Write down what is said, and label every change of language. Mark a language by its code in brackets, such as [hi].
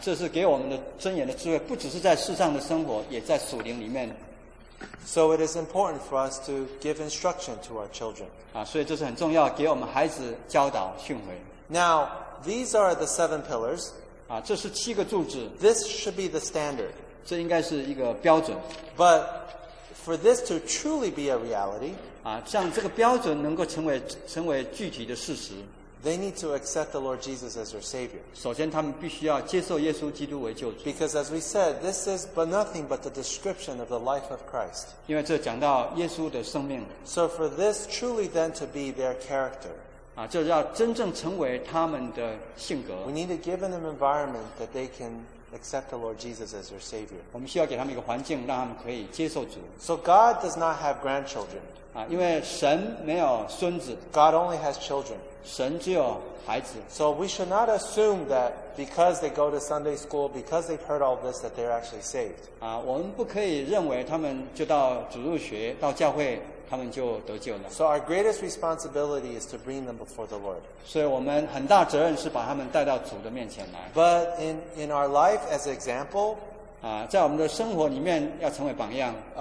[zh] 这是给我们的箴言的智慧，不只是在世上的生活，也在属灵里面。 [en] So it is important for us to give instruction to our children. [zh] 所以这是很重要，给我们孩子教导训诲。 [en] Now these are the seven pillars. [zh] 这是七个柱子。 [en] This should be the standard. [zh] 这应该是一个标准。 [en] But for this to truly be a reality, [zh] 像这个标准能够成为具体的事实。 [en] They need to accept the Lord Jesus as their Savior. [zh] 首先他们必须要接受耶稣基督为救主。 [en] Because as we said, this is but nothing but the description of the life of Christ. [zh] 因为这讲到耶稣的生命。 [en] So for this truly then to be their character. [zh] 就要真正成为他们的性格。 [en] We need to give them an environment that they can accept the Lord Jesus as their Savior. [zh] 我们需要给他们一个环境，让他们可以接受主。 [en] So God does not have grandchildren. [zh] 因为神没有孙子。 [en] God only has children. [zh] 神只有孩子。 [en] So we should not assume that because they go to Sunday school, because they've heard all this, that they're actually saved. [zh] 我们不可以认为他们就到主日学、到教会，他们就得救了。 [en] So our greatest responsibility is to bring them before the Lord. [zh] 所以我们很大责任是把他们带到主的面前来。 [en] But in our life as an example, [zh] 在我们的生活里面要成为榜样。